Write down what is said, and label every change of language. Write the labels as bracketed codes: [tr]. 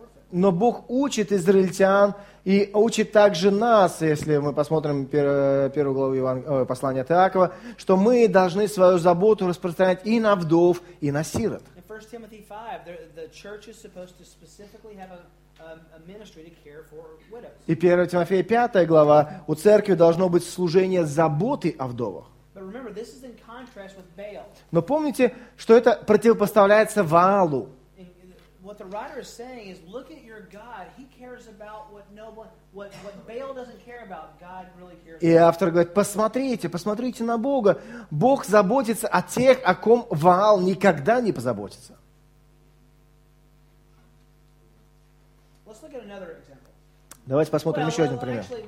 [ru] Но Бог учит израильтян и учит также нас, если мы посмотрим первую главу послания от Иакова, что мы должны свою заботу распространять и на вдов, и на сирот. [en] In 1 Timothy 5, the church is supposed to specifically have a ministry to care for widows. [ru] И 1 Тимофея 5 глава, у церкви должно быть служение заботы о вдовах. [en] But remember, this is in contrast with Baal. [ru] Но помните, что это противопоставляется Ваалу. [en] What the writer is saying is, look at your God. He cares about what no one, what Baal doesn't care about. God really cares. [ru] И автор говорит: посмотрите на Бога. Бог заботится о тех, о ком Ваал никогда не позаботится. [en] Let's look at another example. [ru] Давайте посмотрим еще один пример.